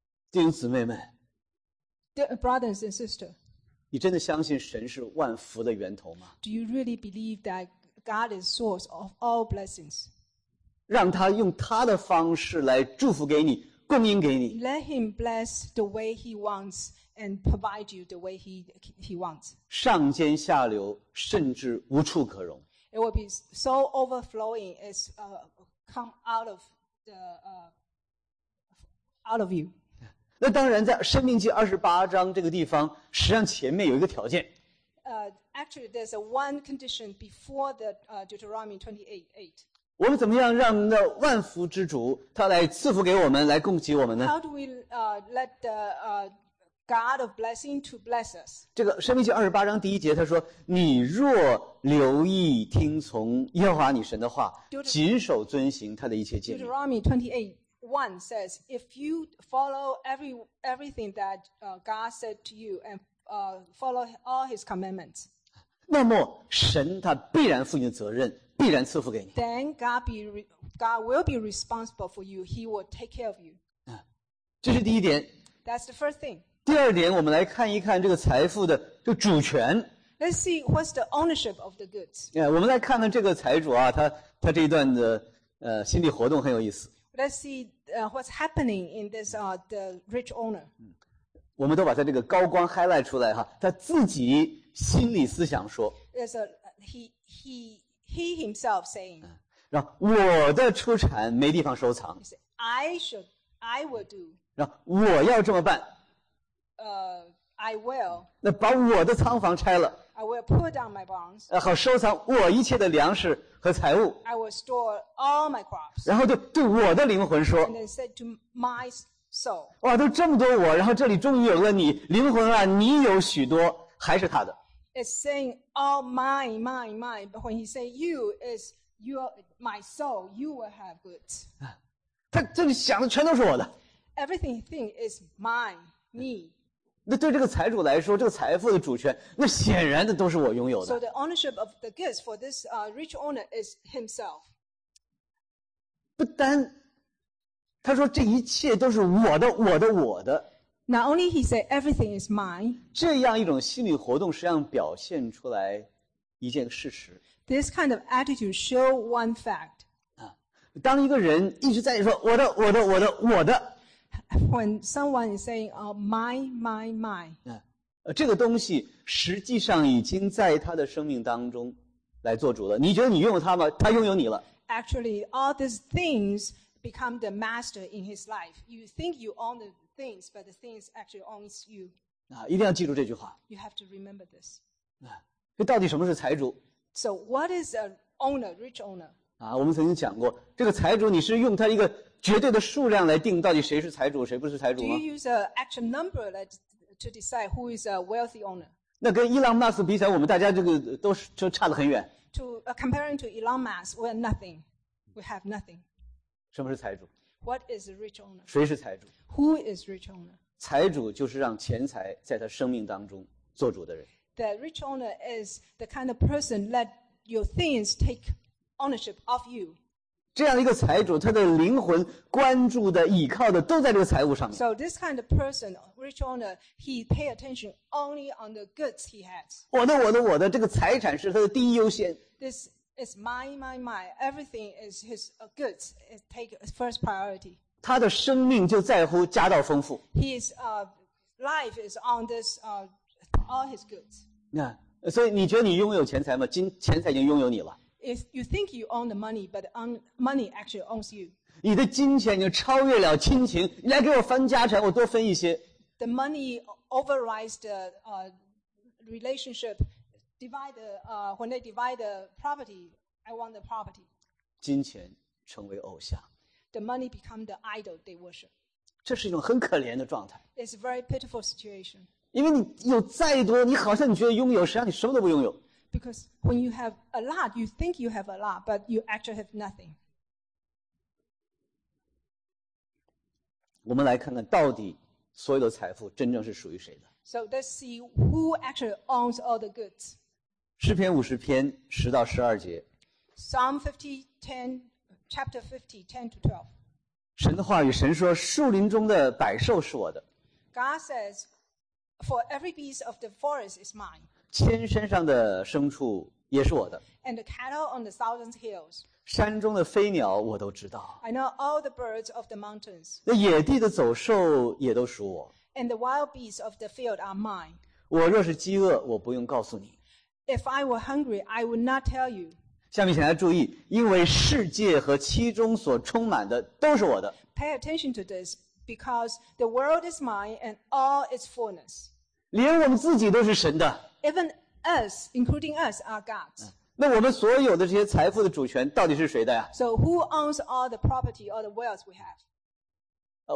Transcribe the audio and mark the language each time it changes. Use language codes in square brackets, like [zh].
[zh] 弟兄姊妹们 [en] brothers and sisters. [zh] 你真的相信神是万福的源头吗 [en] ？Do you really believe that God is source of all blessings？ [zh] 让他用他的方式来祝福给你，供应给你。 [en] Let him bless the way he wants and provide you the way he wants。 [zh] 上尖下流，甚至无处可容。 [en] It will be so overflowing as come out of the out of you。 [zh] 那当然，在《申命记》二十八章这个地方，实际上前面有一个条件。 [en] Actually, there's a one condition before the Deuteronomy 28:8. [zh] 我们怎么样让那万福之主他来赐福给我们，来供给我们呢 [en] ？How do we let the God of blessing to bless us？ [zh] 这个《申命记》二十八章第一节，他说：“你若留意听从耶和华你神的话，谨守遵行他的一切诫命。” [en] Deuteronomy 28:8. One says, if you follow everything that God said to you and follow all His commandments, [zh] 那么神他必然负你的责任，必然赐福给你。 [en] Then God will be responsible for you. He will take care of you. [zh] 这是第一点。 [en] That's the first thing. [zh] 第二点，我们来看一看这个财富的这个主权。 [en] Let's see what's the ownership of the goods. [zh] 我们来看看这个财主啊，他这一段的心理活动很有意思。 [en] Let's see what's happening in this the rich owner. [zh] 我们都把他这个高光 highlight 出来哈，他自己心理思想说。 [en] There's a he himself saying. [zh] 然后我的出产没地方收藏。 [en] I will do. [zh] 然后我要这么办。 [en] I will. [zh] 那把我的仓房拆了。 [en] I will put down my barns. [zh] 好收藏我一切的粮食。和财务 [en] I will store all my crops, [zh] 然后对我的灵魂说 [en] and then said to my soul, [zh] 哇都这么多我然后这里终于有了你灵魂啊你有许多还是他的 [en] It's saying all mine But when he say you is your, my soul You will have goods [zh] 他这里想的全都是我的 [en] Everything he think is mine, me [zh] 那对这个财主来说，这个财富的主权，那显然的都是我拥有的。 [en] So the ownership of the goods for this rich owner is himself. [zh] 不单，他说这一切都是我的，我的，我的。 [en] Not only he said everything is mine. [zh] 这样一种心理活动实际上表现出来一件事实。 [en] This kind of attitude show one fact. [zh] 当一个人一直在说我的，我的，我的，我的。 [en] When someone is saying, "Oh, my." [zh] 这个东西实际上已经在他的生命当中来做主了。你觉得你拥有他吗？他拥有你了。 [en] Actually, all these things become the master in his life. You think you own the things, but the things actually owns you. [zh] 一定要记住这句话。 [en] You have to remember this. [zh] 这到底什么是财主 [en] ？So, what is an owner, rich owner? [zh] 啊，我们曾经讲过，这个财主你是用他一个绝对的数量来定到底谁是财主，谁不是财主吗？ [en] Do you use an actual number to decide who is a wealthy owner? [zh] 那跟伊朗马斯比起来，我们大家这个都是差得很远。 [en] To comparing to Elon Musk, we're nothing. We have nothing. [zh] 什么是财主？ [en] What is a rich owner? [zh] 谁是财主？ [en] Who is rich owner? [zh] 财主就是让钱财在他生命当中做主的人。 [en] The rich owner is the kind of person let your things take ownership of you. [zh] 这样一个财主，他的灵魂关注的、倚靠的都在这个财务上面。 [en] So this kind of person, rich owner, he pay attention only on the goods he has. [zh] 我的，我的，我的，这个财产是他的第一优先。 [en] This is my, my, my. Everything is his goods. It take first priority. [zh] 他的生命就在乎家道丰富。 [en] His life is on this. All his goods. [zh] 那、所以你觉得你拥有钱财吗？金钱财已经拥有你了。 [en] If you think you own the money, but money actually owns you. [zh] 你的金钱已经超越了亲情，你来给我分家产，我多分一些。 [en] The money overrides the relationship. Divide the when they divide the property, I want the property. [zh] 金钱成为偶像。 [en] The money become the idol they worship. [zh] 这是一种很可怜的状态。 [en] It's a very pitiful situation. [zh] 因为你有再多，你好像你觉得拥有，实际上你什么都不拥有。 [en] Because when you have a lot, you think you have a lot, but you actually have nothing. [zh] 我们来看看到底所有的财富真正是属于谁的。 [en] So let's see who actually owns all the goods. [zh] 诗篇五十篇十到十二节。 [en] Psalm 50:10, chapter 50:10-12. [zh] 神的话语，神说：“树林中的百兽是我的。” [en] God says. For every beast of the forest is mine. [zh] 千山上的牲畜也是我的。 [en] And the cattle on the thousand hills. [zh] 山中的飞鸟我都知道。 [en] I know all the birds of the mountains. [zh] 那野地的走兽也都属我。 [en] And the wild beasts of the field are mine. [zh] 我若是饥饿，我不用告诉你。 [en] If I were hungry, I would not tell you. [zh] 下面请大家注意，因为世界和其中所充满的都是我的。 [en] Pay attention to this. Because the world is mine and all its fullness. [zh] 连我们自己都是神的。 [en] Even us, including us, are God's. [zh] 那我们所有的这些财富的主权到底是谁的呀？ [en] So who owns all the property, all the wealth we have?